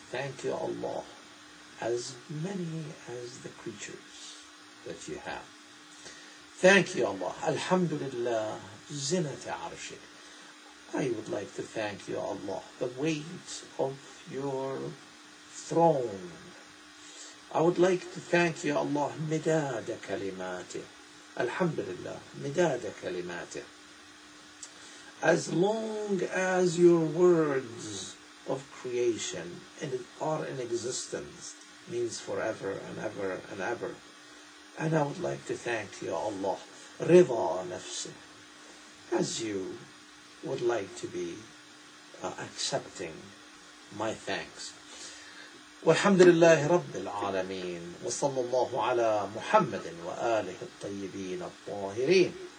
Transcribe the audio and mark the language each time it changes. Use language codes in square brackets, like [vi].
[en] Thank you, Allah, as many as the creatures that you have. Thank you, Allah. [ar] Alhamdulillah, zinata arshik. [en] I would like to thank you, Allah, the weight of your throne. I would like to thank you, Allah, [ar] مداد كلماته. Alhamdulillah, مداد كلماته. [en] As long as your words of creation are in existence, means forever and ever and ever. And I would like to thank you, Allah, [ar] رضا نفسي. [en] As you would like to be accepting my thanks. [ar] والحمد لله رب العالمين وصلى الله على محمد وآله الطيبين الطاهرين.